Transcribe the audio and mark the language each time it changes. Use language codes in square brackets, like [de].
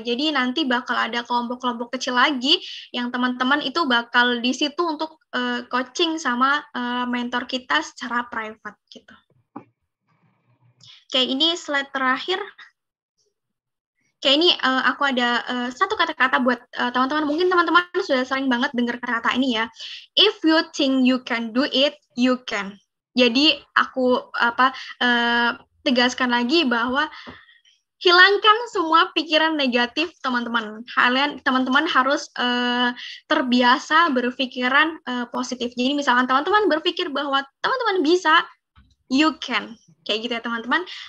[id] Jadi nanti bakal ada kelompok-kelompok kecil lagi yang teman-teman itu bakal di situ untuk coaching sama mentor kita secara private gitu. Kayak ini slide terakhir. Kayak ini aku ada satu kata-kata buat teman-teman. Mungkin teman-teman sudah sering banget dengar kata-kata ini ya. [en] If you think you can do it, you can. [id] Jadi aku tegaskan lagi bahwa hilangkan semua pikiran negatif teman-teman. Teman-teman harus terbiasa berpikiran positif. Jadi misalkan teman-teman berpikir bahwa teman-teman bisa, [en] you can. [id] Kayak gitu ya teman-teman.